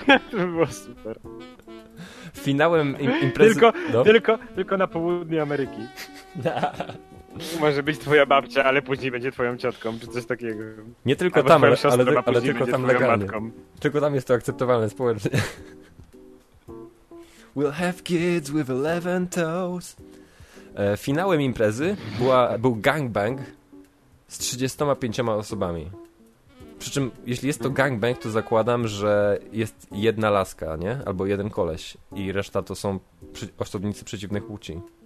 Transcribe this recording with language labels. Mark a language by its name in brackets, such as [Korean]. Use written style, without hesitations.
[Polish] To by było super. Finałem imprezy... Tylko na południu Ameryki. Może być twoja babcia, ale później będzie twoją ciotką, czy coś takiego. Nie tylko albo tam, siostrę, ale tylko tam legalnie. Matką. Tylko tam jest to akceptowalne społecznie. [English] We'll have kids with 11 toes. [Polish] Finałem imprezy był gangbang z 35 osobami. Przy czym, jeśli jest to gangbang, to zakładam, że jest jedna laska, nie? Albo jeden koleś. I reszta to są osobnicy przeciwnych płci.